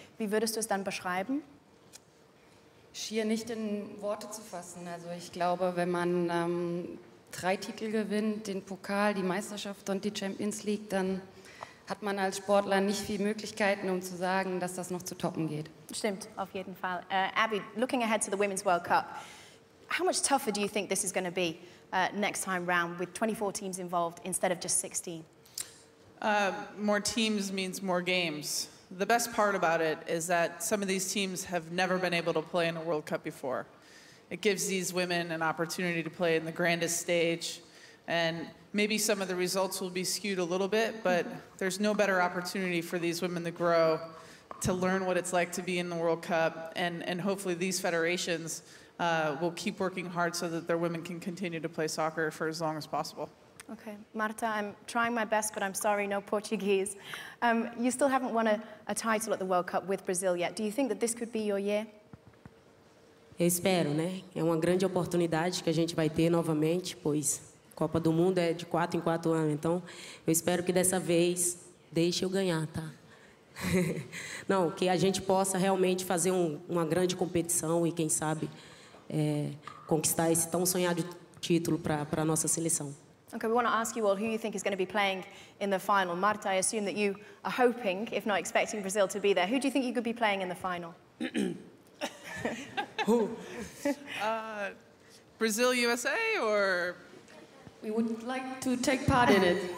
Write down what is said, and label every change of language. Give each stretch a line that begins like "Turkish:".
German: Wie würdest du es dann beschreiben? Schier nicht in Worte zu fassen. Also ich glaube, wenn man drei Titel gewinnt, den Pokal, die Meisterschaft und die Champions League, dann hat man als Sportler nicht viel Möglichkeiten, um zu sagen, dass das noch zu toppen geht. Stimmt, auf jeden Fall.
English: Abby, looking ahead to the Women's World Cup, how much tougher do you think this is going to be next time round with 24 teams involved instead of just 16? More teams means more games. The best part about it is that some of these teams have never been able to play in a World Cup before. It gives these women an opportunity to play in the grandest stage, and maybe some of the results will be skewed a little bit, but there's no better opportunity for these women to grow, to learn what it's like to be in the World Cup, and hopefully these federations will keep working hard so that their women can continue to play soccer for as long as possible. Okay, Marta, I'm trying my best, but I'm sorry, no Portuguese. You still haven't won a title at the World Cup with Brazil yet. Do you think that this could be your year?
Portuguese: Eu espero, né? É uma grande oportunidade que a gente vai ter novamente, pois Copa do Mundo é de 4 em 4 anos. Então, eu espero que dessa vez deixe eu ganhar, tá? Não, que a gente possa realmente fazer uma grande competição e quem sabe conquistar esse tão sonhado título para nossa seleção.
English: Okay, we want to ask you all who you think is going to be playing in the final. Marta, I assume that you are hoping, if not expecting, Brazil to be there. Who do you think you could be playing in the final? Who? Brazil, USA, or...? We would like to take part in it.